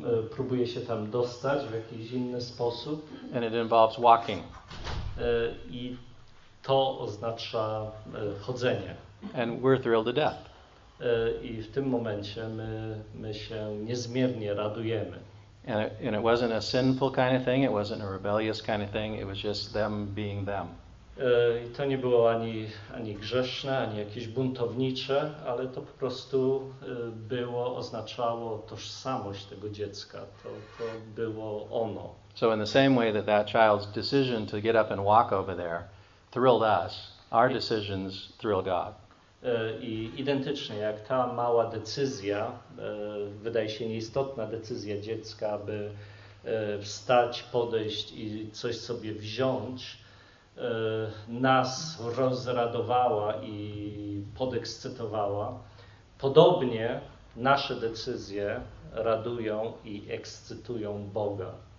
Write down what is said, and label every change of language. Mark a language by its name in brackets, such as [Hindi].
[Polish] Próbuje się tam dostać w jakiś inny sposób. [English] And it involves walking. [Polish] To oznacza chodzenie. [English] And we're thrilled to death. [Polish] I w tym momencie my się niezmiernie radujemy. [English] And it wasn't a sinful kind of thing, it wasn't a rebellious kind of thing, it was just them being them. [Polish] I to nie było ani grzeszne, ani jakieś buntownicze, ale to po prostu oznaczało tożsamość tego dziecka. To było ono. [English] So in the same way that that child's decision to get up and walk over there thrilled us, our decisions thrill God. [Polish] I identycznie jak ta mała decyzja, wydaje się nieistotna decyzja dziecka, aby wstać, podejść i coś sobie wziąć, nas rozradowała i podekscytowała, podobnie nasze decyzje radują i ekscytują Boga.